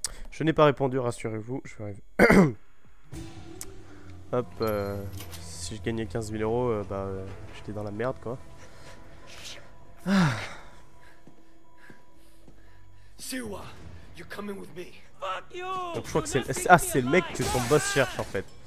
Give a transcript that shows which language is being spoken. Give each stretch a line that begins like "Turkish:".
French: Je n'ai pas répondu, rassurez-vous, je vais arriver. Hop, si je gagnais 15 000 euros, j'étais dans la merde quoi.
English: Siwa, you're coming with me. Fuck you.
French: Donc je crois que c'est le... Ah, c'est le mec que son boss cherche en fait.